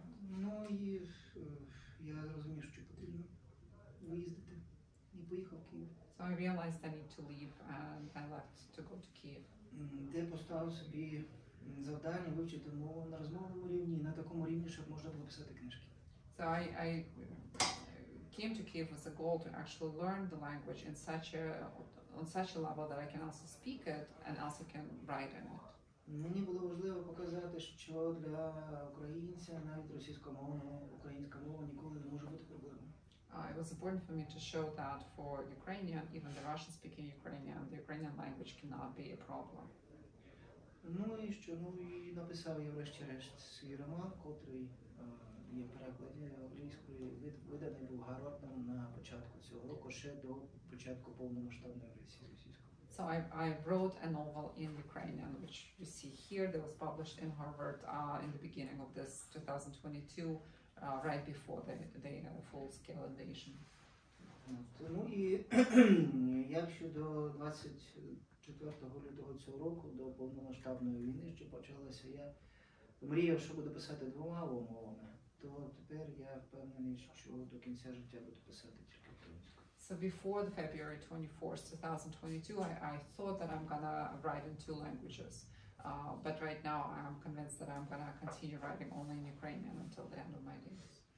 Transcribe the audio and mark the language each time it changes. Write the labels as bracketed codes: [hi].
[uk] Ну і я зрозумів, що потрібно виїздити, і поїхав в Київ. [en] So I realized I need to leave, and I left to go to Kyiv. [uk] Де поставив собі завдання вивчити мову на розмовному рівні, на такому рівні, щоб можна було писати книжки. [en] So I came to Kyiv with a goal to actually learn the language in such a level that I can also speak it and also can write in it. [uk] Мені було важливо показати, що для українця, навіть російськомовного, українська мова ніколи не може бути проблемою. [en] It was important for me to show that for Ukrainian, even the Russian speaking Ukrainian, the Ukrainian language cannot be a problem. [uk] Ну і що? Ну і написав я врешті-решт свій роман, котрий є перекладі англійською, виданий був гаротом на початку цього року, ще до початку повномасштабної агресії російської. [en] So I wrote a novel in Ukrainian, which you see here, that was published in Harvard in the beginning of this 2022, right before the full-scale invasion. [uk] Ну і як щодо 24 лютого цього року, до повномасштабної війни, що почалася, я мріяв, що буду писати двома мовами, то тепер я впевнений, що до кінця життя буду писати тільки українською. [en] So before the February 24th, 2022, I thought that I'm going to write in two languages. But right now, I'm convinced that I'm going to continue writing only in Ukrainian until the end of my days.